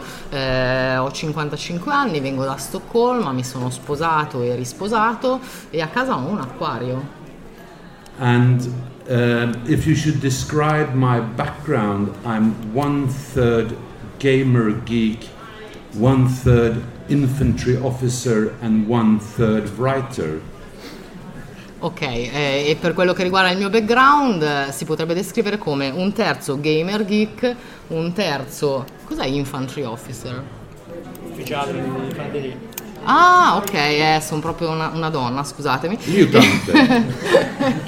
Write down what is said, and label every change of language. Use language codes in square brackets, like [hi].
[it] Ho 55 anni, vengo da Stoccolma, mi sono sposato e risposato e a casa ho un acquario. [en] And if you should describe my background, I'm one third gamer geek, one third infantry officer and one third writer. [it] Ok, e per quello che riguarda il mio background si potrebbe descrivere come un terzo gamer geek, un terzo... cos'è [en] infantry officer? [it] Ufficiale di infanteria. Ah, ok, sono proprio una donna, scusatemi. [en] You don't.